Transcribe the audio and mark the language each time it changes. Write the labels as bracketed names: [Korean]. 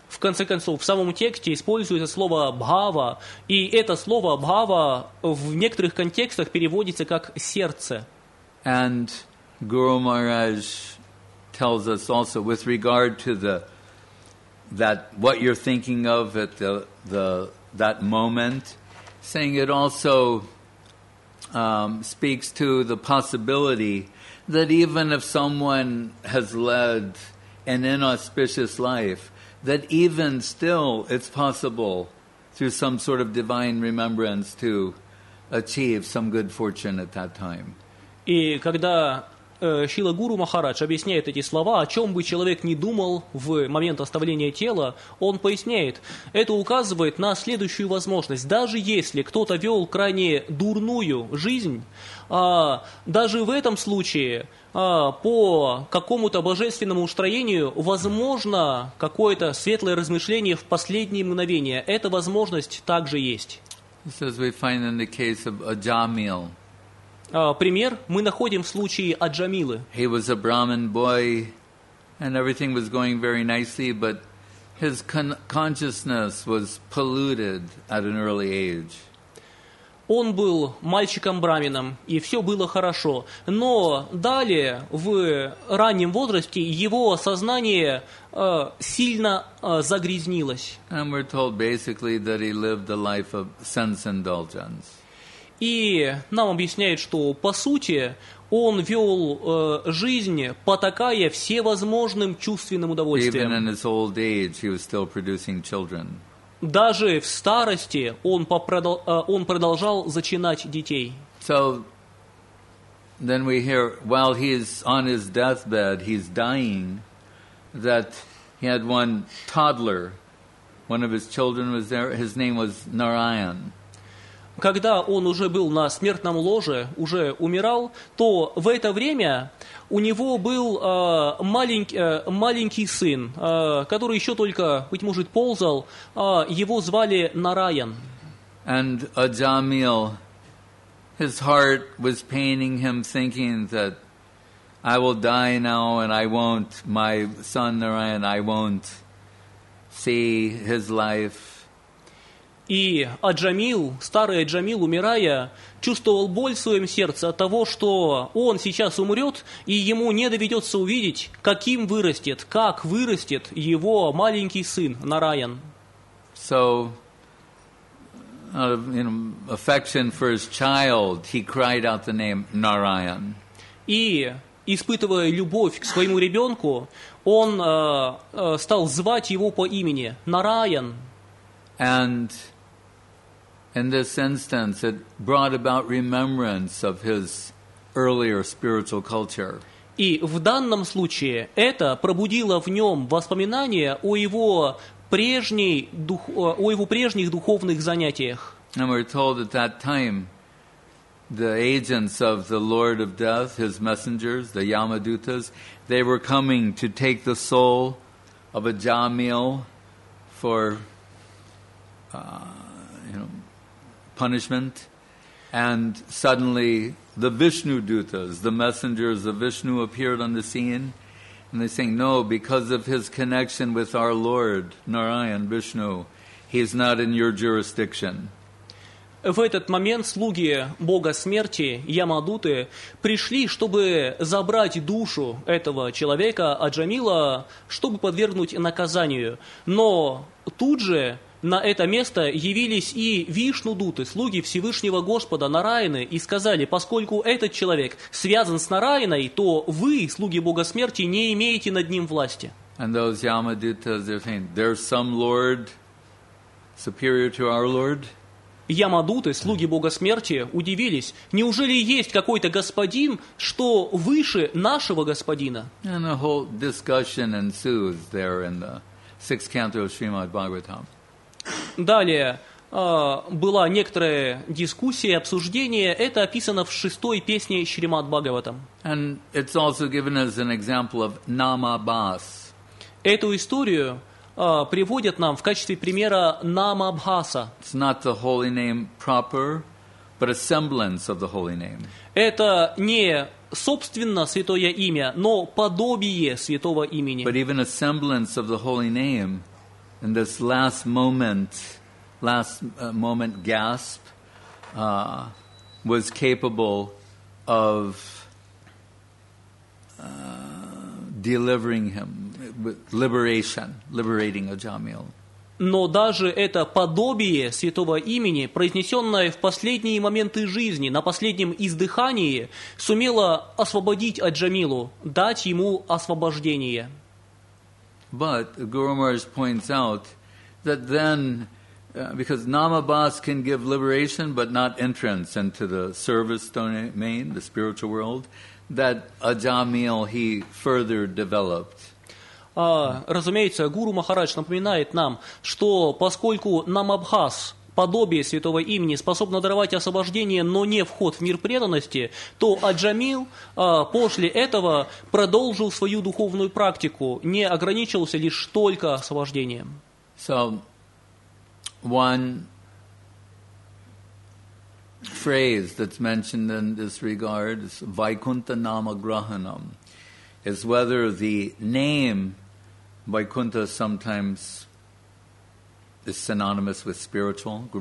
[Russian] В конце концов, в самом тексте используется слово «бхава», и это слово «бхава» в некоторых контекстах переводится как «сердце». [English] And Guru Maharaj tells us also with regard to that what you're thinking of at that moment, saying it also speaks to the possibility that even if someone has led an inauspicious life, that even still it's possible through some sort of divine remembrance to achieve some good fortune at that time. [Russian] И когда Шрила Гуру Махарадж объясняет эти слова, о чем бы человек ни думал в момент оставления тела, он поясняет, это указывает на следующую возможность. Даже если кто-то вел крайне дурную жизнь, даже в этом случае по какому-то божественному устроению возможно какое-то светлое размышление в последние мгновения. Эта возможность также есть. Пример мы находим в случае Аджамилы. [English] He was a Brahmin boy, and everything was going very nicely, but his consciousness was polluted at an early age. [Russian] Он был мальчиком-брамином, и все было хорошо. Но далее, в раннем возрасте, его сознание сильно загрязнилось. [English] And we're told basically that he lived a life of sense indulgence. [Russian] И нам объясняют, что, по сути, он вел жизнь, потакая всевозможным чувственным удовольствием. Даже в старости он продолжал зачинать детей. [English] So, then we hear, while he's on his deathbed, he's dying, that he had one toddler, one of his children was there, his name was Narayan. [Russian] когда он уже был на смертном ложе, уже умирал, то в это время у него был маленький сын, который еще только, быть может, ползал, его звали Нараян. [English] And Ajamil, his heart was paining him, thinking that I will die now and I won't, my son Narayan, I won't see his life. [Russian] И Аджамил, старый Аджамил, умирая, чувствовал боль в своем сердце от того, что он сейчас умрет, и ему не доведется увидеть, каким вырастет, как вырастет его маленький сын Нараян. [English] So, out of, you know, affection for his child, he cried out the name Narayan. [Russian] И, испытывая любовь к своему ребенку, он стал звать его по имени Нараян. [English] And in this instance, it brought about remembrance of his earlier spiritual culture. [Russian] И в данном случае это пробудило в нем воспоминания о его прежней дух, о его прежних духовных занятиях. [English] And we're told at that time, the agents of the Lord of Death, his messengers, the Yamadutas, they were coming to take the soul of Ajamil for, punishment, and suddenly the Vishnu Dutas, the messengers of Vishnu, appeared on the scene, and they saying, no, because of his connection with our Lord Narayan Vishnu, he is not in your jurisdiction. [Russian] В этот момент слуги Бога Смерти, Ямадуты, пришли, чтобы забрать душу этого человека, Аджамила, чтобы подвергнуть наказанию. Но тут же на это место явились и Вишнудуты, слуги Всевышнего Господа Нараяны, и сказали, поскольку этот человек связан с Нараяной, то вы, слуги Бога Смерти, не имеете над ним власти. [English] And those Yamadutas, they're saying, there's some Lord superior to our Lord? [Russian] Ямадуты, слуги Бога Смерти, удивились, неужели есть какой-то господин, что выше нашего господина? [English] And a whole discussion ensues there in the sixth canto of Srimad Bhagavatam. [Russian] Далее была некоторая дискуссия, обсуждение, это описано в шестой песне Шримад Бхагаватам. [English] And it's also given as an example of Namabhas. [Russian] Эту историю приводят нам в качестве примера Намабхаса. [English] It's not the holy name proper, but a semblance of the holy name. [Russian] Это не собственно святое имя, но подобие святого имени. [English] But even a semblance of the holy name in this last moment gasp was capable of delivering him. Liberation, liberating Ajamil. [Russian] Но даже это подобие святого имени, произнесенное в последние моменты жизни, на последнем издыхании, сумело освободить Аджамилу, дать ему освобождение. [English] But Guru Maharaj points out that then, because Namabhas can give liberation but not entrance into the service domain, the spiritual world, that Ajamil he further developed. [Russian] Разумеется, Гуру Махарадж напоминает нам, что поскольку Намабхас, подобие святого имени, способно даровать освобождение, но не вход в мир преданности, то Аджамил после этого продолжил свою духовную практику, не ограничивался лишь только освобождением. [English] So, one phrase that's mentioned in this regard is Vaikuntha Nama Grahanam, is whether the name Vaikuntha sometimes is synonymous with spiritual.